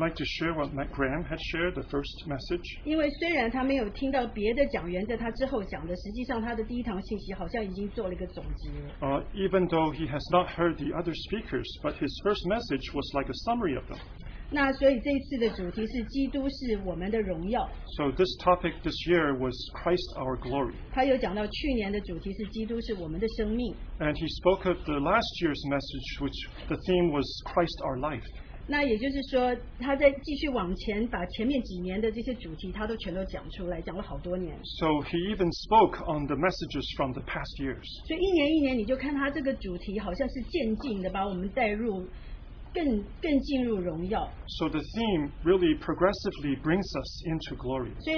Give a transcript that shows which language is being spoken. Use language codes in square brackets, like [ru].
[en] like to share what Matt Graham had shared, the first message. [zh] 因为虽然他没有听到别的讲员在他之后讲的，实际上他的第一堂信息好像已经做了一个总结。Even [en] though he has not heard the other speakers, but his first message was like a summary of them. [zh] 那所以这一次的主题是基督是我们的荣耀。So [en] this topic this year was Christ our glory. [zh] 他又讲到去年的主题是基督是我们的生命。And [en] he spoke of the last year's message, which the theme was Christ our life. [zh] 那也就是说，他在继续往前把前面几年的这些主题，他都全都讲出来，讲了好多年。So [en] he even spoke on the messages from the past years. [zh] 所以一年一年，你就看他这个主题好像是渐进的把我们带入。 [en] So the theme really progressively brings us into glory.